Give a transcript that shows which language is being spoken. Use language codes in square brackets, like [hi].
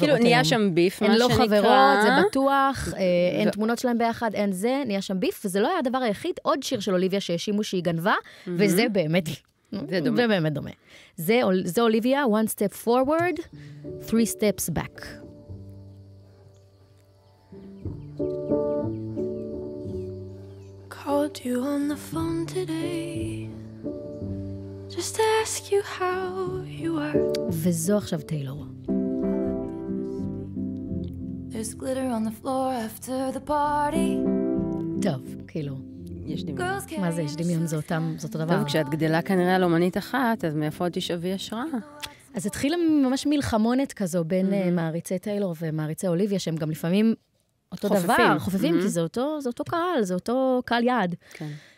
[he] כאילו, נהיה שם ביף, מה שנקרא. הן לא חברות, זה בטוח, אין תמונות שלהם ביחד, אין זה, נהיה שם ביף, וזה לא היה הדבר היחיד, עוד שיר של אוליביה שהשימו שהיא גנבה, וזה באמת, זה באמת דומה. זה אוליביה, [en] one step forward, three steps back. Called you on the phone today just to ask you how you are. [he] וזו עכשיו טיילור. [en] There's glitter on the floor after the party. [he] טוב, כאילו יש דמיון. מה זה יש דמיון? זה אותם, זאת הדבר. טוב, כשאת גדלה כנראה על אומנית אחת, אז מאיפה עוד תשאבי השראה? אז התחילה ממש מלחמונת כזו בין מעריצי טיילור ומעריצי אוליביה, שהם גם לפעמים אותו חופפים. דבר, חופפים, כי זה אותו, זה אותו קהל, זה אותו קהל יעד. כן.